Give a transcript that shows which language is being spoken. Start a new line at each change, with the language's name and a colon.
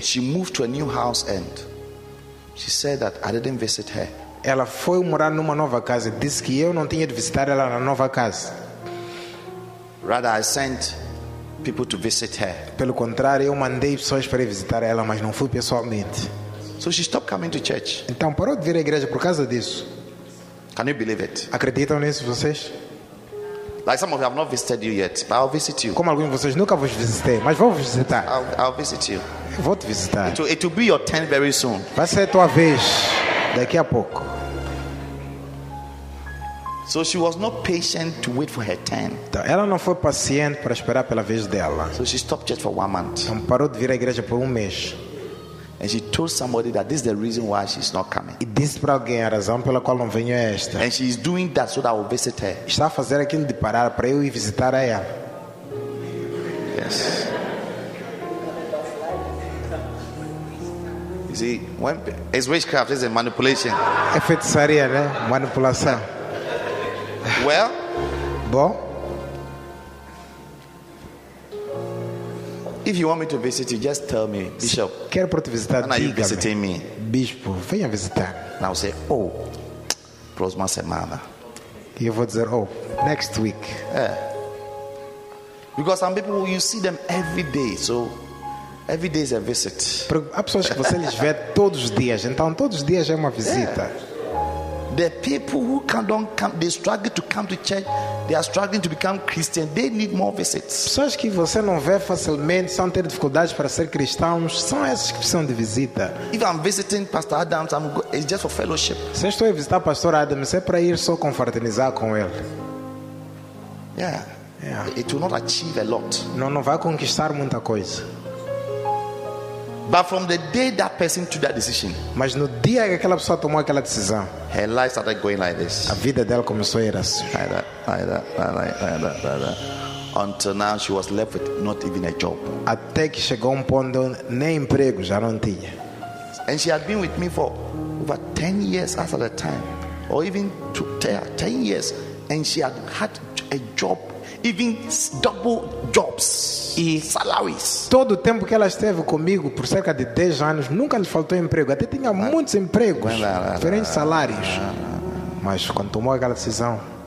English: she moved to a new house and she said that I didn't visit her.
Portuguese: Ela foi morar numa nova casa e disse que eu não tinha de visitar ela na nova casa.
English: Rather, I sent people to visit her.
Portuguese: Pelo contrário, eu mandei pessoas para visitar ela, mas não fui pessoalmente.
English: So she stopped coming to church.
Portuguese: Então parou de vir à igreja por causa disso.
English: Can you believe it?
Portuguese: Acreditam nisso vocês?
English: Like some of you have not visited you yet, but I'll visit you.
Portuguese: Como alguns de vocês nunca vos visitei, mas vou vos visitar.
English: I'll visit you.
Portuguese: Vou te visitar.
English: It will be your turn very soon.
Portuguese: Vai ser tua vez daqui a pouco.
English: So she was not patient to wait for her turn.
Portuguese: Então, ela não foi paciente para esperar pela vez dela.
English: So she stopped church for 1 month.
Portuguese: Então, parou de vir à igreja por 1 mês.
English: And she told somebody that this is the reason why she's not coming.
Portuguese: E disse para alguém a razão pela qual não venho é esta.
English: And she's doing that so that I'll visit her.
Portuguese: Está a fazer aquilo de parar para eu ir visitar a ela.
English: Yes. You see, when it's witchcraft, it's a manipulation.
Portuguese: É feitiçaria, né? Manipulação.
English: Well,
Portuguese: bom.
English: If you want me to visit you, just tell me, Bishop.
Portuguese: Se quero para te visitar,
English: and are you visiting me?
Portuguese: Bispo, venha visitar.
English: And I'll say, oh,
Portuguese: próxima semana. E eu vou dizer, oh,
English: next week. Yeah. Because some people, you see them every day, so every day is a visit.
Portuguese: Há pessoas que você lhes vê todos os dias, então todos os dias é uma visita.
English: Yeah. The people who don't come, they struggle to come to church. They are struggling to become Christian. They need more visits.
Portuguese: Pessoas que você não vê facilmente são ter dificuldades para ser cristãos. São essas que precisam de visita.
English: If I'm visiting Pastor Adams, it's just for fellowship.
Portuguese: Se eu estou a visitar Pastor Adams, é para ir só confraternizar com ele.
English: Yeah. Yeah. It will not achieve a lot.
Portuguese: Não vai conquistar muita coisa.
English: But from the day that person took that decision,
Portuguese: mas no dia que aquela pessoa tomou aquela decisão,
English: her life started going like this.
Portuguese: A vida dela começou a ir assim.
English: Like that. Until now, she was left with not even a job.
Portuguese: Até que chegou ponto nem emprego já não tinha.
English: And she had been with me for over 10 years after that time, or even 10 years, and she had had a job. Even double jobs
Portuguese: e
English: salaries.
Portuguese: Todo o tempo que ela esteve comigo por cerca de 10 anos, nunca lhe faltou emprego. Até tinha muitos empregos, diferentes salários. Mas quando tomou aquela decisão,